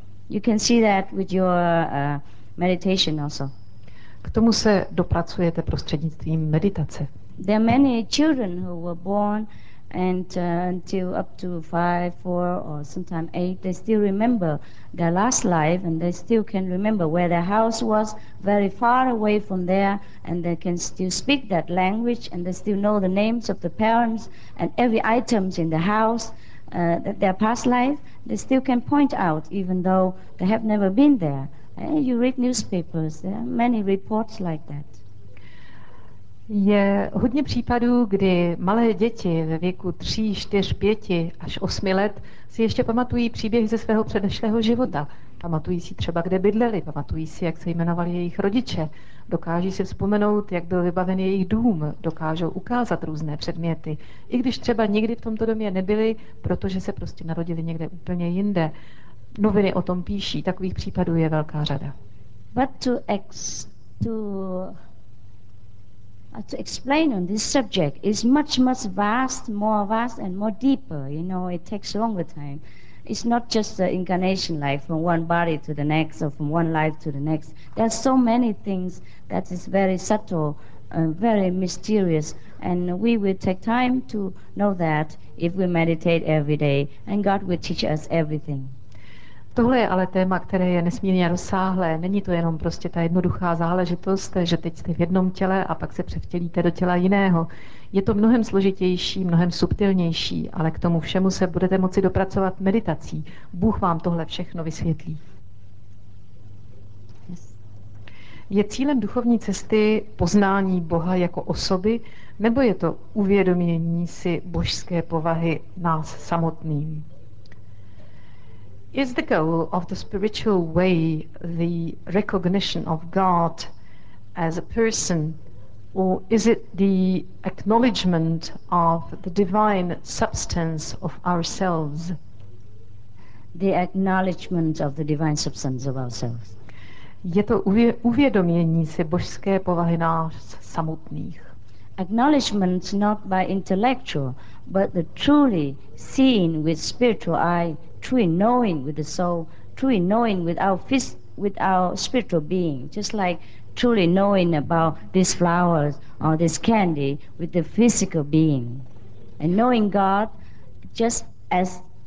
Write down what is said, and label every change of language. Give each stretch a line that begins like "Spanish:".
English: You can see that with your meditation also.
Czech: K tomu se dopracujete prostřednictvím meditace.
English: There are many children who were born and until up to 5, 4 or sometimes 8, they still remember their last life, and they still can remember where their house was, very far away from there, and they can still speak that language, and they still know the names of the parents and every items in the house, that their past life, they still can point out even though they have never been there. And you read newspapers, there are many reports like that.
Czech: Je hodně případů, kdy malé děti ve věku 3, 4, 5 až 8 let si ještě pamatují příběhy ze svého předešlého života. Pamatují si třeba, kde bydleli, pamatují si, jak se jmenovali jejich rodiče. Dokáží si vzpomenout, jak byl vybaven jejich dům, dokážou ukázat různé předměty. I když třeba nikdy v tomto domě nebyli, protože se prostě narodili někde úplně jinde. Noviny o tom píší, takových případů je velká řada.
English: But to explain on this subject is much, much vast, more vast and more deeper, you know, it takes longer time. It's not just the incarnation life from one body to the next or from one life to the next. There are so many things that is very subtle, very mysterious, and we will take time to know that if we meditate every day, and God will teach us everything.
Czech: Tohle je ale téma, které je nesmírně rozsáhlé. Není to jenom prostě ta jednoduchá záležitost, že teď jste v jednom těle a pak se převtělíte do těla jiného. Je to mnohem složitější, mnohem subtilnější, ale k tomu všemu se budete moci dopracovat meditací. Bůh vám tohle všechno vysvětlí. Je cílem duchovní cesty poznání Boha jako osoby, nebo je to uvědomění si božské povahy nás samotným?
English: Is the goal of the spiritual way the recognition of God as a person, or is it the acknowledgement of the divine substance of ourselves? The acknowledgement of the divine substance of ourselves.
Czech: Je to uvědomění si božské povahy nás samotných.
English: Acknowledgement not by intellectual, but the truly seeing with spiritual eye, truly knowing with the soul, truly knowing with our spiritual being, just like truly knowing about these flowers or this candy with the physical being. And knowing God just as